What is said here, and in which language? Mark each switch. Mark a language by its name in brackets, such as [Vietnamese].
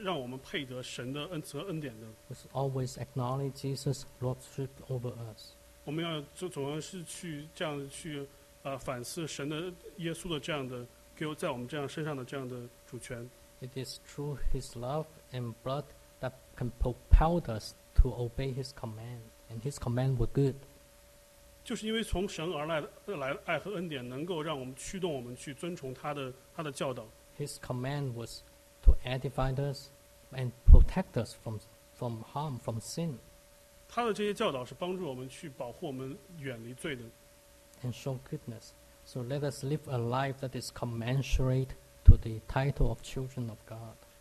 [Chinese] 但我们做的这些事情并不是让我们配得神的恩慈和恩典的。 [English] Let's always acknowledge Jesus' lordship over us. [Chinese] 我们要总是去这样去反思神的耶稣的这样的给我在我们这样身上的这样的主权。 [English] It is through His love and blood that can propel us to obey His command, and His command were good. [Chinese] 就是因为从神而来的爱和恩典，能够让我们驱动我们去遵从他的教导。 [English] His command was to edify us and protect us from harm, from sin. [Chinese] 他的这些教导是帮助我们去保护我们远离罪的。 [English] And show goodness. So let us live a life that is commensurate to the title of children of God.